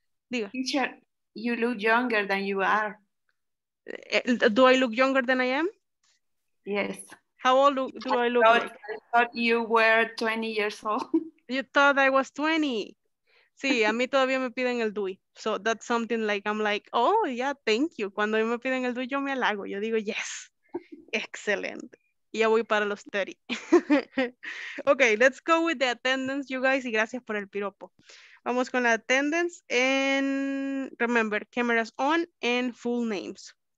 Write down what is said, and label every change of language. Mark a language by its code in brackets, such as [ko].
[es] Diga. [en] Teacher, you look younger than you are. Do I look younger than I am? Yes. How old do I look? I thought you were 20 years old. You thought I was 20. [es] Sí, a mí todavía me piden el DUI. [en] So that's something like, I'm like, oh, yeah, thank you. [es] Cuando me piden el DUI, yo me halago. Yo digo, [en] yes, excellent. [es] Ya voy para los 30. [en] Okay, let's go with the attendance, you guys. [es] Y gracias por el piropo. Vamos con la [en] attendance. And remember, cameras on and full names.